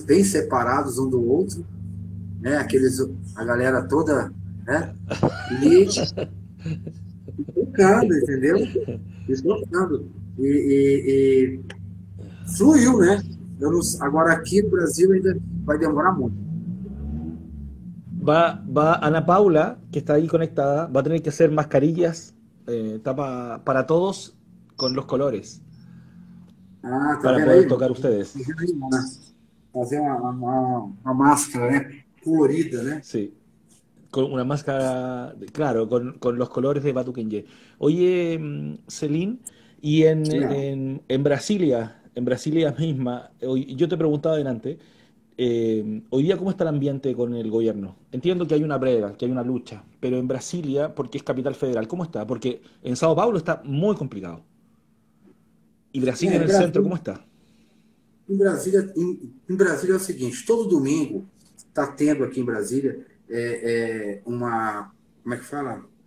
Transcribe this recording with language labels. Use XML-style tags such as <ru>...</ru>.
<pt>Bem separados um do outro, né? A galera toda, né? E tocando, entendeu? E tocando. E fluiu, né? Agora aqui no Brasil ainda vai demorar muito.</pt> <es>Va Ana Paula, que está ahí conectada, va a tener que hacer mascarillas, tapa para todos con los colores,</es> <pt>Ah, tá</pt> <es>para</es> <pt>vendo aí?</pt> <es>poder tocar ustedes.</es> <pt>Fazer uma máscara, né? Colorida, né?</pt> <es>Sí. Con una máscara, claro, con los colores de Batuquengue. Oye, Celine, y en Brasilia, en Brasilia misma, hoy, yo te preguntaba adelante, hoy día, ¿cómo está el ambiente con el gobierno? Entiendo que hay una brega, que hay una lucha, pero en Brasilia, porque es capital federal, ¿cómo está? Porque en Sao Paulo está muy complicado. Y Brasilia en el centro, ¿cómo está?</es> <pt>Em Brasília é o seguinte: todo domingo está tendo aqui em Brasília uma, como é que fala?</pt>